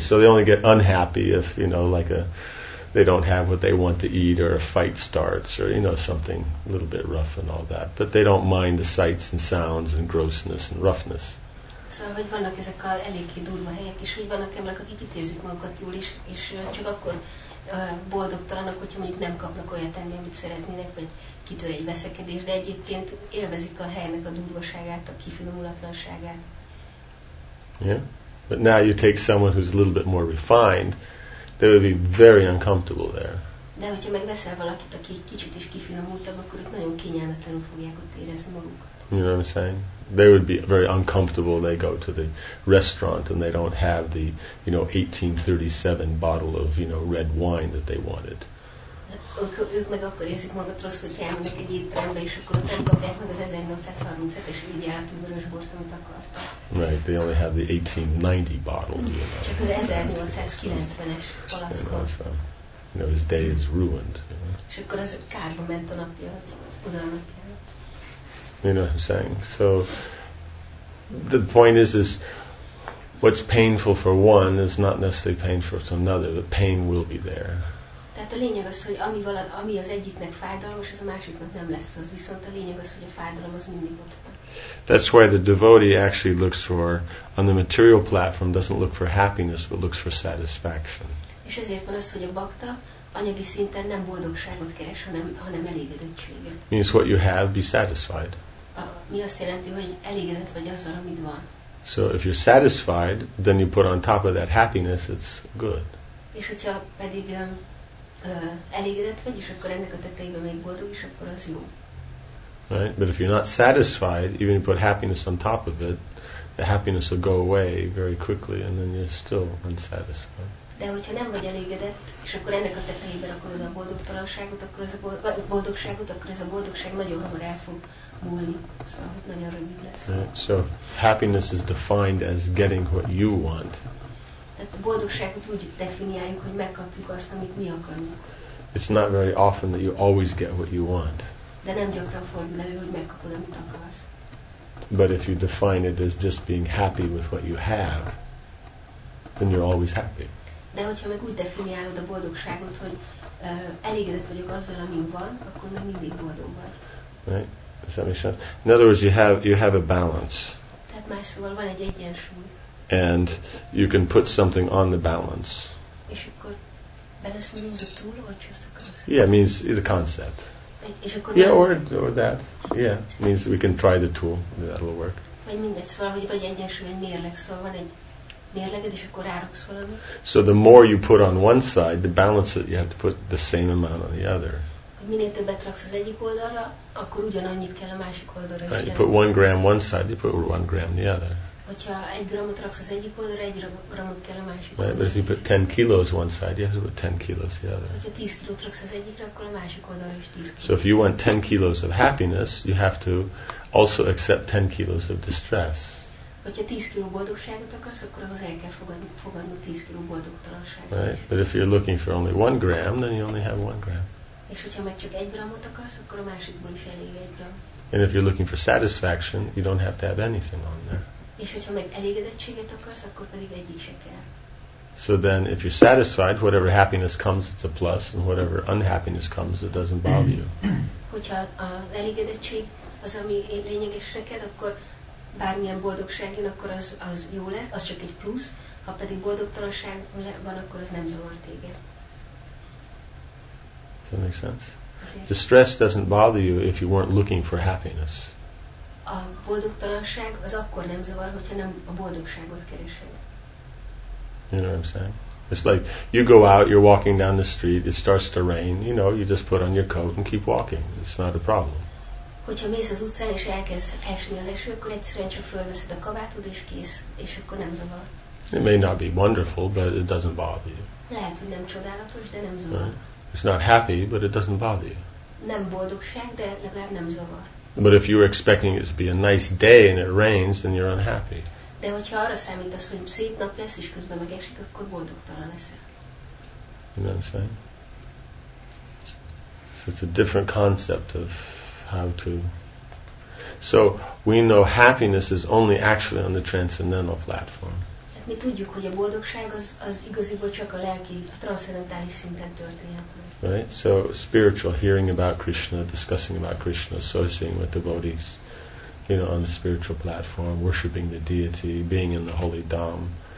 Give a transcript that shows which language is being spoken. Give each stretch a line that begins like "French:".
English: So they only get unhappy if, you know, like a, they don't have what they want to eat, or a fight starts, or, you know, something a little bit rough and all that. But they don't mind the sights and sounds and grossness and roughness.
Hungarian: Szóval, hogy vannak ezek a eléggé durva helyek, és hogy vannak emberek, akik itt érzik magukat jól is, és csak akkor boldogtalanak, hogyha mondjuk nem kapnak olyat tenni, amit szeretnének, vagy kitör egy veszekedés, de egyébként élvezik a helynek a durvaságát, a kifinomulatlanságát.
English: Yeah, but now you take someone who's a little bit more refined, they would be very uncomfortable there.
Hungarian: De hogyha megveszel valakit, aki kicsit is kifinomultabb, akkor ők nagyon kényelmetlenül fogják ott érezni magukat.
English: You know what I'm saying? They would be very uncomfortable. They go to the restaurant and they don't have the, you know, 1837 bottle of, you know, red wine that they wanted.
Hungarian: Ők meg akkor érzik magukat rosszul, hogyha elmennek egy étterembe, és akkor ott nem kapják meg az 1837-es ideálatú vörös bort, amit akartak.
English: Right, they only have the 1890 bottle. You know,
Hungarian: csak az 1890-es palackot.
English: You know, his day is ruined.
Hungarian: És akkor az kárba ment a napja, hogy oda a napja.
English: You know what I'm saying? So the point is what's painful for one is not necessarily painful to another. The pain will be there.
Hungarian: Tehát a lényeg az, hogy ami az egyiknek fájdalmas, az a másiknak nem lesz az. Viszont a lényeg az, hogy a fájdalom az mindig ott van.
English: That's why the devotee actually looks for, on the material platform, doesn't look for happiness, but looks for satisfaction.
Hungarian: És ezért van az, hogy a bhakta anyagi szinten nem boldogságot keres, hanem elégedettséget.
English: Means what you have, be satisfied.
Hungarian: Mi azt jelenti, hogy elégedett vagy azzal, amit van.
English: So if you're satisfied, then you put on top of that happiness, it's good.
Hungarian: És hogyha pedig elégedett vagy, és akkor ennek a tetejében még boldog is, akkor az jó.
English: Right? But if you're not satisfied, even if you put happiness on top of it, the happiness will go away very quickly, and then you're still unsatisfied.
Hungarian: De hogyha nem vagy elégedett, és akkor ennek a tetejében akarod a boldogtalanságot, akkor ez a boldogságot, akkor ez a boldogság nagyon hamar el fog múlni. Szóval nagyon rövid lesz.
English: Right. So happiness is defined as getting what you want.
Hungarian: Tehát a boldogságot úgy definiáljuk, hogy megkapjuk azt, amit mi akarunk.
English: It's not very often that you always get what you want.
Hungarian: De nem gyakran fordul elő, hogy megkapod, amit akarsz.
English: But if you define it as just being happy with what you have, then you're always happy.
Hungarian: De hogyha meg úgy definiálod a boldogságot, hogy elégedett vagyok azzal, ami van, akkor meg mindig boldog vagy.
English: Right? Does that make sense? In other words, you have a balance.
Hungarian: Tehát más szóval van egy egyensúly.
English: And you can put something on the balance.
Hungarian: És akkor
English: balance means the tool or just the concept? Yeah, it means the concept.
Hungarian: És akkor
English: or that. Yeah, means we can try the tool. That'll work.
Hungarian: Vagy mindegy, szóval, hogy vagy egyensúly, vagy mérleg, szóval van egy mérleged, és akkor ráraksz valamit.
English: So the more you put on one side, the balance that you have to put the same amount on the other.
Hungarian: Minél többet raksz az egyik oldalra, akkor ugyanannyit kell a másik oldalra.
English: Right, you put 1 gram one side, you put 1 gram the other.
Hungarian: Hogyha 1 gramot raksz az egyik oldalra, 1 gramot kell a másik oldalra.
English: Right, but if you put 10 kilos one side, you have to put 10 kilos the other.
Hungarian: Hogyha 10 kilót raksz az egyikre, akkor a másik oldalra is 10 kilót.
English: So if you want 10 kilos of happiness, you have to also accept 10 kilos of distress.
Hungarian: Hogyha 10 kiló boldogságot akarsz, akkor ahhoz el kell fogadni 10 kiló boldogtalanságot.
English: Right. But if you're looking for only 1 gram, then you only have 1 gram.
Hungarian: És hogyha meg csak 1 gramot akarsz, akkor a másikból is elég 1 gram.
English: And if you're looking for satisfaction, you don't have to have anything on there.
Hungarian: És hogyha meg elégedettséget akarsz, akkor pedig egy se kell.
English: So then, if you're satisfied, whatever happiness comes, it's a plus, and whatever unhappiness comes, it doesn't bother you.
Hungarian: Hogyha az elégedettség az, ami lényeges neked, akkor bármilyen boldogság jön, akkor az jó lesz, az csak egy plusz, ha pedig boldogtalanság van, akkor az nem zavar téged.
English: Does that make sense? The stress doesn't bother you if you weren't looking for happiness.
Hungarian: A boldogtalanság az akkor nem zavar, hogyha nem a boldogságot keresed.
English: You know what I'm saying? It's like you go out, you're walking down the street, it starts to rain, you know, you just put on your coat and keep walking. It's not a problem.
Hungarian: Hogyha mész az utcán és elkezd esni az eső, akkor egyszerűen csak fölveszed a kabátod és kész, és akkor nem zavar.
English: It may not be wonderful, but it doesn't bother you.
Hungarian: Lehet, hogy nem csodálatos, de nem zavar.
English: Right? It's not happy, but it doesn't bother you.
Hungarian: Nem boldogság, de legalább nem zavar.
English: But if you were expecting it to be a nice day and it rains, then you're unhappy.
Hungarian: De hogyha arra számítasz, hogy szép nap lesz, és közben megesik, akkor boldogtalan leszel.
English: You know what I'm saying? So it's a different concept of how to... So we know happiness is only actually on the transcendental platform.
Hungarian: Hát mi tudjuk, hogy a boldogság az igaziból csak a lelki, a transzendentális szinten történik.
English: Right? So spiritual, hearing about Krishna, discussing about Krishna, associating with devotees. You know, on the spiritual platform, worshipping the deity, being in the holy dham.